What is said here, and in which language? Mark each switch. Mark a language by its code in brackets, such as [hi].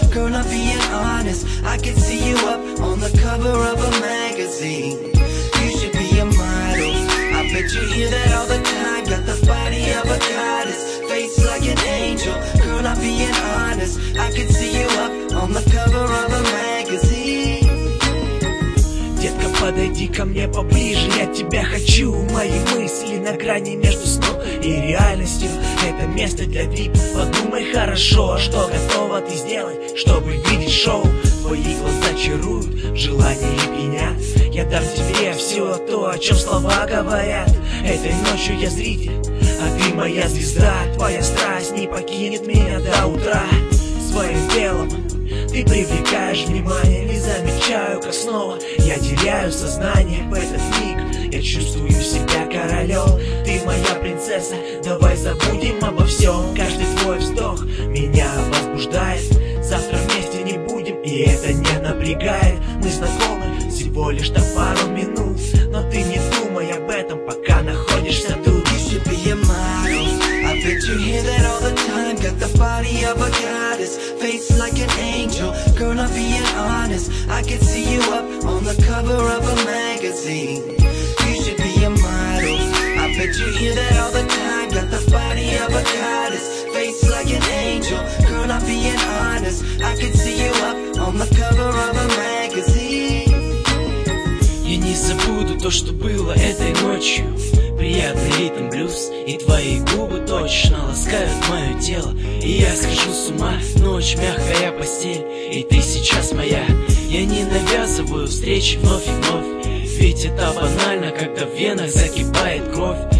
[en] Girl, I'm being honest, I can see you up on the cover of a magazine. You should be a model, I bet you hear that all the time. Got the body of a goddess, face like an angel. Girl, I'm being honest, I can see you up on the cover of a magazine. [ru] Детка, подойди ко мне поближе, я тебя хочу. Мои мысли на грани между сном и реальностью. Это место для VIP, подумай хорошо, что готова ты сделать, чтобы видеть шоу. Твои глаза чаруют, желание и меня. Я дам тебе все то, о чем слова говорят. Этой ночью я зритель, а ты моя звезда. Твоя страсть не покинет меня до утра. Своим телом ты привлекаешь внимание. Не замечаю, как снова я теряю сознание. В этот миг я чувствую себя королем. Ты моя принцесса, давай забудем обо всем. Каждый твой вздох меня возбуждает. Завтра вместе не будем, и это не напрягает. Мы знакомы всего лишь на пару минут, но ты не думай об этом, пока находишься тут. [en] You should be a model, I bet you hear that all the time. Got the body of a goddess, face like an angel. Girl, I'm being honest, I can see you up on the cover of a magazine. You should be a model, I bet you hear that all the time. Got the body of a goddess, face like an angel. Girl, I'm being honest, I can see you up on the cover of a magazine. [ru] Я не забуду то, что было этой ночью. Приятный ритм блюз, и твои губы точно ласкают мое тело. И я схожу с ума, ночь мягкая постель, и ты сейчас моя. Я не навязываю встречи вновь и вновь, ведь это банально, когда в венах закипает кровь.